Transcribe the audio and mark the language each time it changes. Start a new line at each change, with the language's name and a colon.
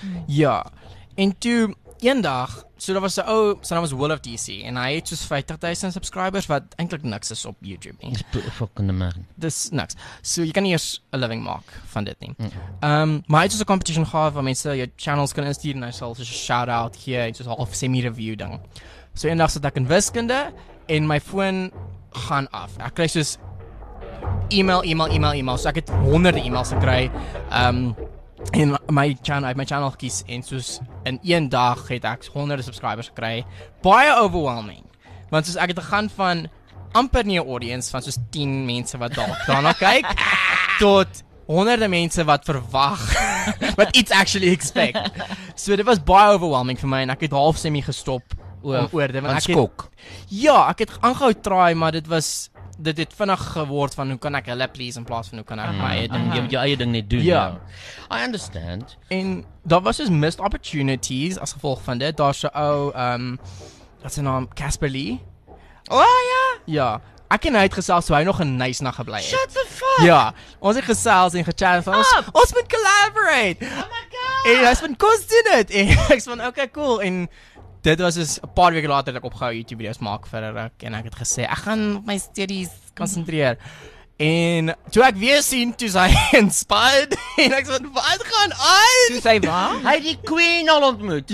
Afrikaans: Ja, en toe, eendag, so daar was so, sy naam was Will of DC, en hy het soos 50,000 subscribers, wat eintlik niks is op YouTube nie. Dis fucking amazing. Dis niks. So jy kan nie eers 'n living maak van dit nie. Mm-hmm. Maar hy het soos 'n competition gehad waar mense jou channels kan instuur, en hy sal soos 'n shout-out hier, en soos half semi-review ding. So eendag sit ek in wiskunde, en my foon gaan af. Ek kry soos email, so ek het honderde emails gekry, en my channel gekies, en soos in een dag het ek honderde subscribers gekry. Baie overwhelming, want soos ek het gegaan van amper nie 'n audience van soos 10 mense wat daarna kyk tot honderde mense wat verwag wat iets
English: actually expect.
Afrikaans: So dit was baie overwhelming vir my, en ek het half semi gestop oor dit, want skok. Ja, ek het aangehou try, maar dit het vinnig geword van hoe kan ek hulle please in plaas van hoe kan ek my eie ding, jou eie ding net doen.
English: Yeah. I understand.
Afrikaans: En daar was dus missed opportunities as gevolg van dit. Daar is wat is sy naam? Casper Lee? Oh ja! Ja. Ek en hy het gesels, so hy nog 'n nice nag gebly het.
English: Shut the fuck!
Afrikaans: Ja. Ons het gesels en gechat van ons moet collaborate!
English: Oh my god!
Afrikaans: En hy is van, kom doen dit! En ek is van, okay, cool. En dit was dus 'n paar weke later dat ek opgehou YouTube videos maak vir 'n ruk, en ek het gesê ek gaan op my studies konsentreer. En toe ek weer sien, toe sy inspired, en ek sê, wat gaan aan? Toe sy waar? Hy die queen al ontmoet.